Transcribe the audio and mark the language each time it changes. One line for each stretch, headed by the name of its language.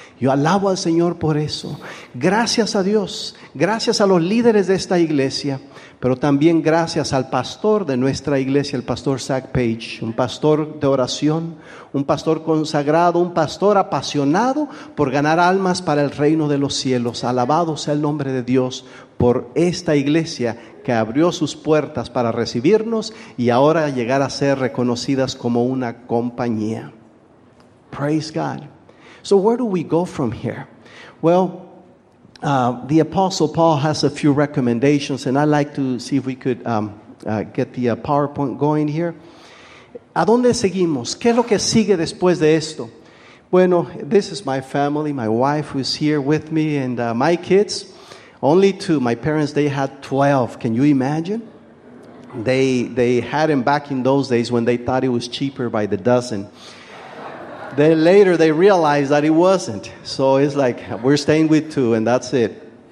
Spanish: Yo alabo al Señor por eso. Gracias a Dios, gracias a los líderes de esta iglesia, pero también gracias al pastor de nuestra iglesia, el pastor Zach Page, un pastor de oración, un pastor consagrado, un pastor apasionado por ganar almas para el reino de los cielos. Alabado sea el nombre de Dios por esta iglesia que abrió sus puertas para recibirnos y ahora llegar a ser reconocidas como una compañía.
English: Praise God. So where do we go from here? Well, the Apostle Paul has a few recommendations, and I'd like to see if we could get the PowerPoint going here.
Spanish: ¿A dónde seguimos? ¿Qué es lo que sigue después de esto? Bueno,
English: this is my family, my wife who's here with me, and my kids. Only two. My parents, they had 12. Can you imagine? They had them back in those days when they thought it was cheaper by the dozen. Then later they realized that it wasn't. So it's like, we're staying with two and that's it.